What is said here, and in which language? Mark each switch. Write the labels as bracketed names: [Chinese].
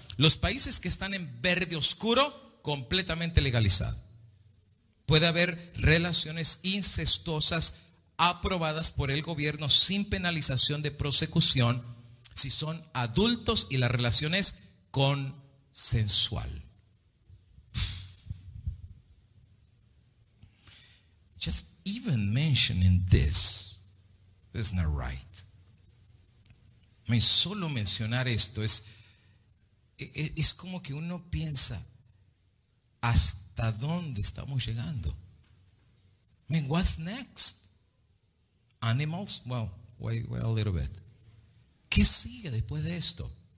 [Spanish] Los países que están en verde oscuro, completamente legalizado. Puede haber relaciones incestuosas aprobadas por el gobierno sin penalización de prosecución si son adultos y la relación es consensual. [English] Just even mentioning this is not right. I mean, [Spanish] solo mencionar esto es como que uno piensa, ¿hasta dónde estamos llegando? [English] I mean, what's next? Animals? Well, wait a little bit. [Spanish] ¿Qué sigue después de esto?